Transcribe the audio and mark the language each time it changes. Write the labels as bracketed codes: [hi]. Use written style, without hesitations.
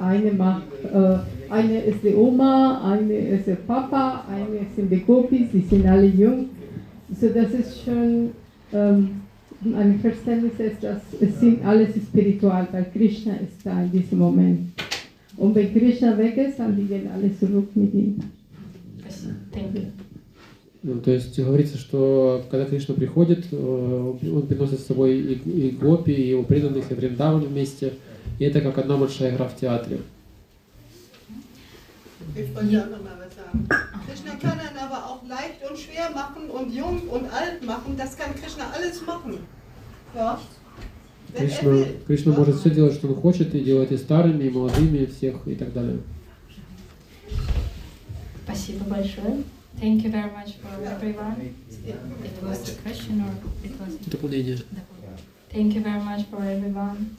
[de] Eine macht, eine ist die Oma, eine ist der Papa, eine sind die Gopis, die sind alle jung. So, das ist schon. Mein Verständnis ist, dass es sind alles spiritual, weil Krishna ist da in diesem Moment. Und wenn Krishna weg ist, dann gehen alle zurück mit ihm. [ru] Ну, то есть говорится, что когда Кришна приходит, он приносит с собой и гопи, и его преданных, и Вриндаван вместе. И это как одна большая игра в театре. [de] Krishna kann dann aber auch leicht und schwer machen und jung und alt machen. Das kann Krishna alles machen. Ja. [ru] Krishna может все делать, что он хочет, и делать и старыми, и молодыми, и всех, и так далее. Спасибо большое. [en] Thank you very much for everyone. It was a question or it was [ru] дополнение. [en] Thank you. Thank you very much for everyone.